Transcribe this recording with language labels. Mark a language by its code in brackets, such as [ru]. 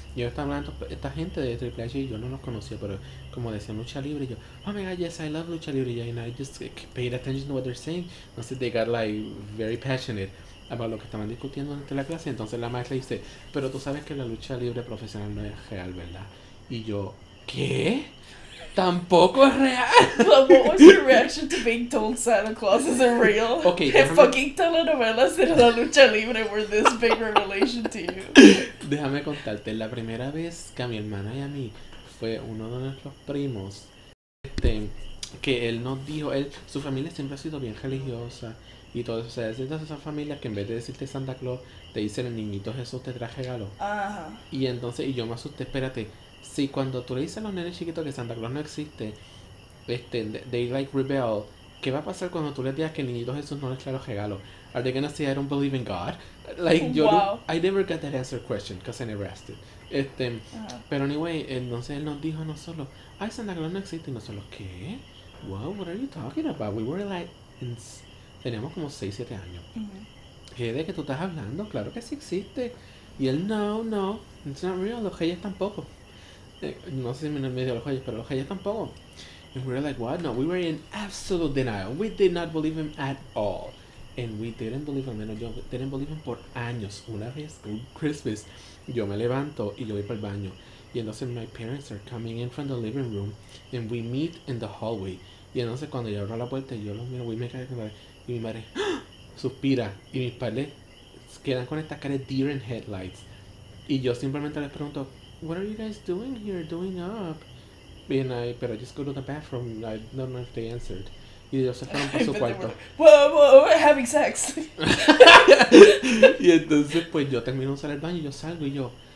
[es] Yo estaba hablando, esta gente de Triple H, yo no los conocía, pero como decían lucha libre, yo, [en] oh my god, yes, I love lucha libre, and I just paid attention to what they're saying. [es] No sé, [en] they got like very passionate about [es] lo que estaban discutiendo durante la clase. Entonces la maestra dice, pero tú sabes que la lucha libre profesional no es real, ¿verdad? Y yo, ¿qué? Tampoco es real. [en] What was your reaction to being told Santa Claus isn't real? Okay, if fucking telenovelas [es] de la lucha libre [en] were this big revelation to you. [es] Déjame contarte, la primera vez que a mi hermana y a mí fue uno de nuestros primos, que él nos dijo, su familia siempre ha sido bien religiosa y todo eso. O sea, es de esas familias que en vez de decirte Santa Claus, te dicen el niñito Jesús te trae regalo. Y entonces, y yo me asusté, espérate. Sí, cuando tú le dices a los nenes chiquitos que Santa Claus no existe, [en] they like rebel. [es] ¿Qué va a pasar cuando tú les digas que el niñito Jesús no les trae los regalos? [en] Are they gonna say I don't believe in God? Like, yo, wow. I never got that answer question, because I never asked it. [es] Pero anyway, entonces él nos dijo a nosotros, ay, Santa Claus no existe. Y nosotros, ¿qué? [en] Wow, what are you talking about? We were like, [es] teníamos como 6, 7 años. ¿Qué de qué tú estás hablando? Claro que sí existe. Y él, no, [en] it's not real, [es] los reyes tampoco. No sé si me medio los reyes, pero los reyes tampoco. [en] And we were like, what? No, we were in absolute denial. We did not believe him at all. And we didn't believe him, [es] menos yo, [en] didn't believe him [es] por años. Una vez, un Christmas, yo me levanto y yo voy para el baño. Y entonces [en] my parents are coming in from the living room. And we meet in the hallway. [es] Y entonces cuando yo abro la puerta, yo los miro, [en] we make eye contact. [es] Y mi madre, suspira. Y mis padres quedan con esta cara de [en] deer in headlights. [es] Y yo simplemente les pregunto, [en] what are you guys doing here, doing up? And I, but I just go to the bathroom. I don't know if they answered. [es] Y ellos se fueron para su cuarto. [en] Whoa, having sex. [es] Y entonces, pues, yo termino de usar el baño y yo salgo y yo,